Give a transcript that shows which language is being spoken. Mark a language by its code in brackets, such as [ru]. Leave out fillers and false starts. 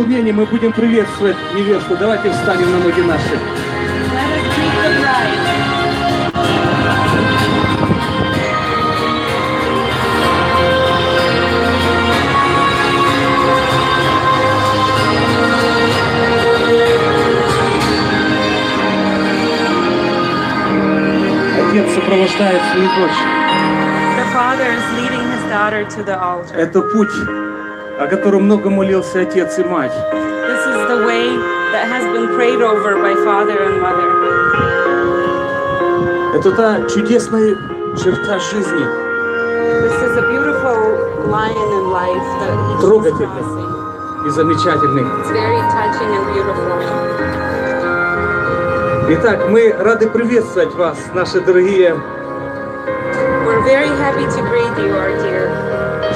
[ru] Мы будем приветствовать невесту. Давайте встанем на ноги наши. Отец сопровождает свою дочь. [en] The father is leading his daughter to the altar. [ru] Это путь, о котором много молился отец и мать. [en] This is the way that has been prayed over by father and mother. [ru] Это та чудесная черта жизни. [en] This is a beautiful line in life that each is promising. [ru] И замечательный. [en] It's very touching and beautiful. [ru] Итак, мы рады приветствовать вас, наши дорогие. [en] We're very happy to greet you, our dear.